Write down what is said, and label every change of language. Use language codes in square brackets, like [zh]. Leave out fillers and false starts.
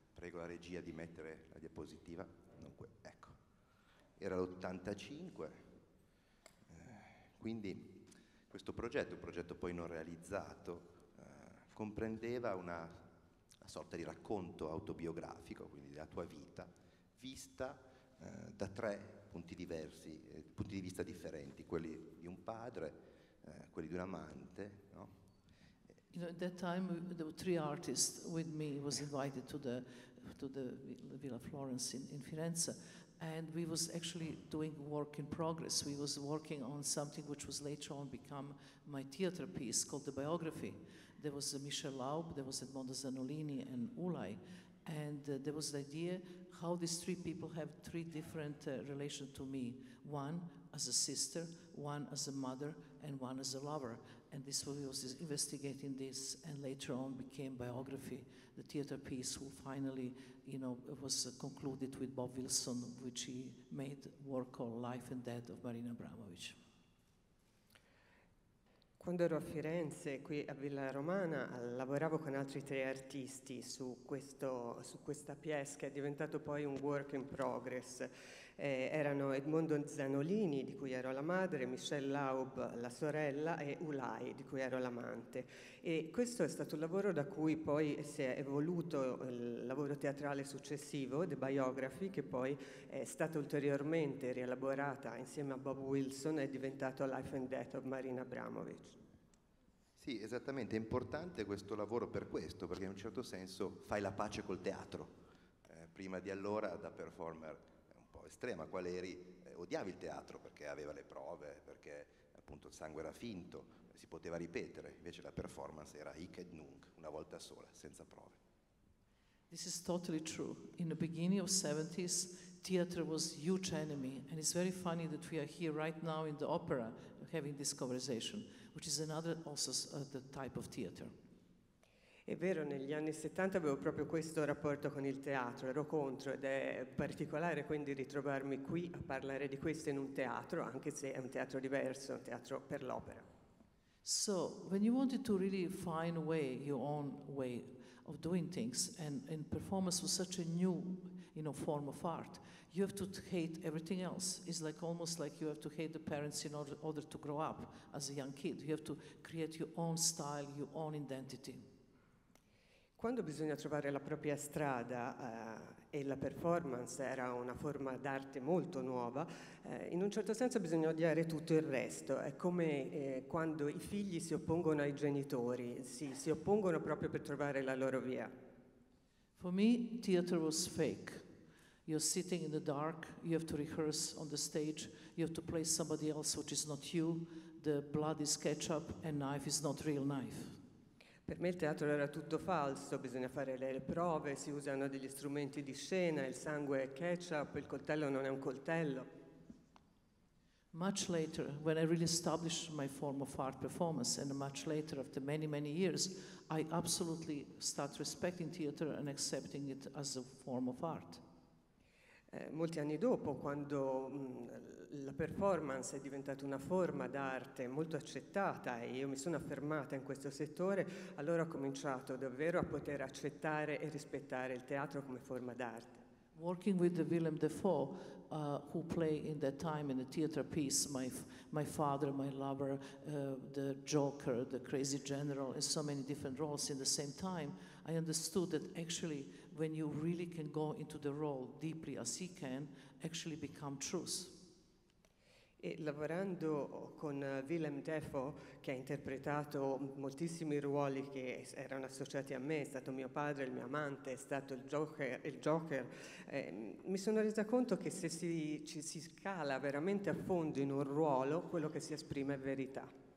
[it] Prego la regia di mettere la diapositiva. Dunque, ecco, era l'85, quindi questo progetto, un progetto poi non realizzato, comprendeva una sorta di racconto autobiografico, quindi della tua vita, vista da tre punti diversi, punti di vista differenti, quelli di un padre, quelli di un amante, no? [en] You know, at that time there were three artists with me, was invited to the Villa Florence in Firenze, and we was actually doing work in progress. We was working on something which was later on become my theater piece called The Biography. There was Michel Laub, there was Edmondo Zanolini and Ulay, and there was the idea how these three people have three different relations to me, one as a sister, one as a mother, and one as a lover. And this was investigating this, and later on became Biography, the theater piece, who finally, you know, was concluded with Bob Wilson, which he made work on Life and Death of Marina Abramović. [it] Quando ero a Firenze, qui a Villa Romana, lavoravo con altri tre artisti su questa pièce che è diventato poi un work in progress. Erano Edmondo Zanolini, di cui ero la madre, Michel Laub, la sorella, e Ulay, di cui ero l'amante. E questo è stato il lavoro da cui poi si è evoluto il lavoro teatrale successivo, The Biography, che poi è stata ulteriormente rielaborata insieme a Bob Wilson, è diventato Life and Death of Marina Abramović. Sì, esattamente, è importante questo lavoro per questo, perché in un certo senso fai la pace col teatro. Prima di allora, da performer un po' estrema, qual eri, odiavi il teatro perché aveva le prove, perché appunto il sangue era finto, si poteva ripetere, invece la performance era hic et nunc, una volta sola, senza prove. [en] This is totally true. In the beginning of 70s, theater was huge enemy, and it's very funny that we are here right now in the opera having this conversation, which is another also the type of theater. [it] È vero, negli anni 70 avevo proprio questo rapporto con il teatro, ero contro, ed è particolare quindi ritrovarmi qui a parlare di questo in un teatro, anche se è un teatro diverso, un teatro per l'opera. [en] So, when you wanted to really find a way, your own way of doing things, and performance was such a new, you know, form of art, you have to hate everything else. It's like almost like you have to hate the parents in order to grow up as a young kid. You have to create your own style, your own identity. [it] Quando bisogna trovare la propria strada, e la performance era una forma d'arte molto nuova, in un certo senso bisogna odiare tutto il resto. È come quando i figli si oppongono ai genitori, si oppongono proprio per trovare la loro via. [en] For me, theater was fake. You're sitting in the dark, you have to rehearse on the stage, you have to play somebody else which is not you, the blood is ketchup and knife is not real knife. [it] Per me il teatro era tutto falso, bisogna fare le prove, si usano degli strumenti di scena, il sangue è ketchup, il coltello non è un coltello. [en] Much later, when I really established my form of art performance, and much later, after many, many years, I absolutely start respecting theater and accepting it as a form of art. [it] Molti anni dopo, quando la performance è diventata una forma d'arte molto accettata e io mi sono affermata in questo settore, allora ho cominciato davvero a poter accettare e rispettare il teatro come forma d'arte. [en] Working with Willem Dafoe, who played in that time in a theater piece, my father, my lover, the Joker, the crazy general, and so many different roles in the same time, I understood that actually when you really can go into the role deeply as he can, actually become truth. [it] E lavorando con Willem Dafoe, che ha interpretato moltissimi ruoli che erano associati a me, è stato mio padre, il mio amante, è stato il Joker, mi sono resa conto che se ci si scala veramente a fondo in un ruolo, quello che si esprime è verità.